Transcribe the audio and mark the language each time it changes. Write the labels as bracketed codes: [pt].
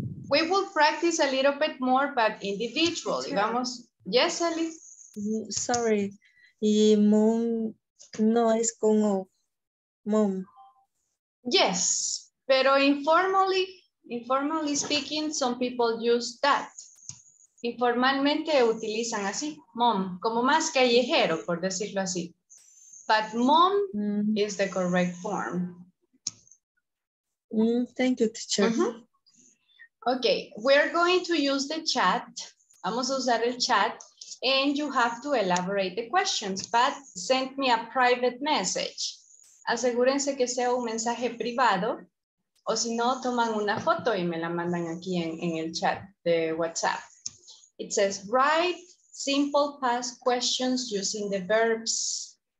[en] We will practice a little bit more, but individually. [es] Vamos. [en] Yes, Ali. [es] Sorry. Y mom no es como mom. [en] Yes, pero informally speaking, some people use that. [es] Informalmente utilizan así, mom, como más callejero, por decirlo así. [en] But mom is the correct form. Thank you, teacher. Okay, we're going to use the chat. [es] Vamos a usar el chat [en] and you have to elaborate the questions. But send me a private message. [es] Asegúrense que sea un mensaje privado o si no, toman una foto y me la mandan aquí en el chat de WhatsApp. [en] It says, write simple past questions using the verbs.